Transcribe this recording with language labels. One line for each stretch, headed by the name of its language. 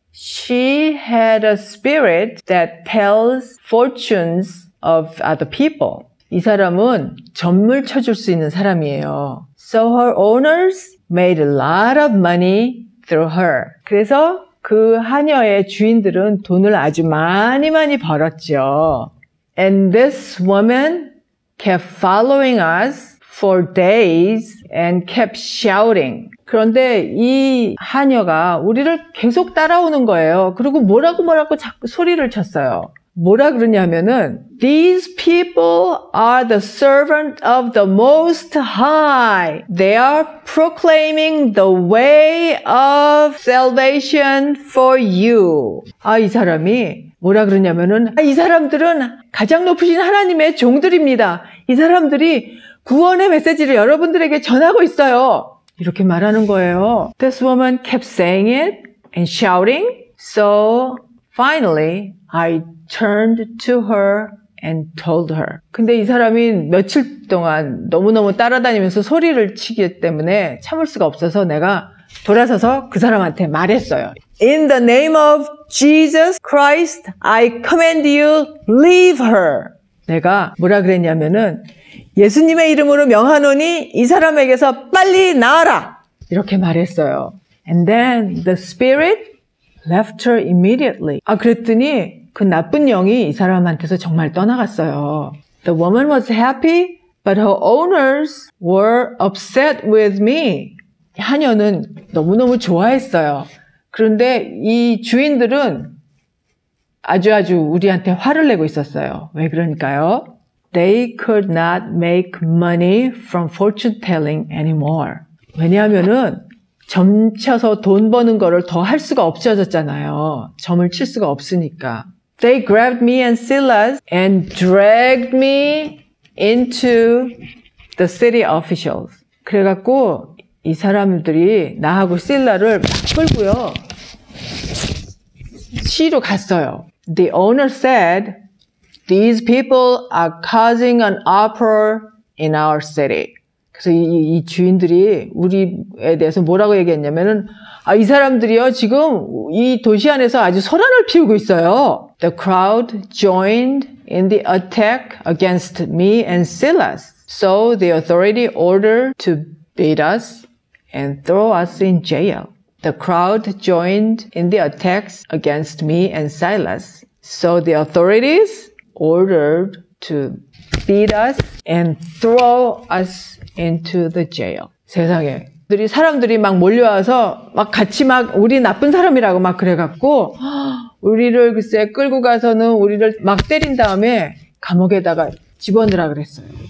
English: She had a spirit that tells fortunes of other people.
Korean: 이 사람은 점을 쳐줄 수 있는 사람이에요.
English: So her owners made a lot of money through her.
Korean: 그래서 그 하녀의 주인들은 돈을 아주 많이 많이 벌었죠.
English: And this woman kept following us for days and kept shouting.
Korean: 그런데 이 하녀가 우리를 계속 따라오는 거예요. 그리고 뭐라고 자꾸 소리를 쳤어요. 뭐라 그러냐면은
English: These people are the servant of the Most High. They are proclaiming the way of salvation for you.
Korean: 아, 이 사람이 뭐라 그러냐면은 아, 이 사람들은 가장 높으신 하나님의 종들입니다. 이 사람들이 구원의 메시지를 여러분들에게 전하고 있어요. 이렇게 말하는 거예요.
English: This woman kept saying it and shouting. So finally, I turned to her and told her.
Korean: 근데 이 사람이 며칠 동안 너무너무 따라다니면서 소리를 치기 때문에 참을 수가 없어서 내가 돌아서서 그 사람한테 말했어요.
English: In the name of Jesus Christ, I command you, leave her.
Korean: 내가 뭐라 그랬냐면은 예수님의 이름으로 명하노니 이 사람에게서 빨리 나와라! 이렇게 말했어요.
English: And then the spirit left her immediately.
Korean: 아, 그랬더니 그 나쁜 영이 이 사람한테서 정말 떠나갔어요.
English: The woman was happy, but her owners were upset with me.
Korean: 하녀는 너무너무 좋아했어요. 그런데 이 주인들은 아주아주 우리한테 화를 내고 있었어요. 왜 그러니까요?
English: They could not make money from fortune telling anymore.
Korean: 왜냐하면은 점 쳐서 돈 버는 거를 더 할 수가 없어졌잖아요. 점을 칠 수가 없으니까.
English: They grabbed me and Silas and dragged me into the city officials.
Korean: 그래갖고 이 사람들이 나하고 실라를 끌고요. 시로 갔어요.
English: The owner said, These people are causing an uproar in our city.
Korean: 그래서 이 주인들이 우리에 대해서 뭐라고 얘기했냐면은 아, 이 사람들이요 지금 이 도시 안에서 아주 소란을 피우고 있어요.
English: The crowd joined in the attack against me and Silas. So the authority ordered to beat us and throw us in jail. The crowd joined in the attacks against me and Silas. So the authorities ordered to beat us and throw us into the jail.
Korean: 세상에. 사람들이 막 몰려와서 막 같이 막 우리 나쁜 사람이라고 막 그래갖고 우리를 글쎄 끌고 가서는 우리를 막 때린 다음에 감옥에다가 집어넣으라 그랬어요.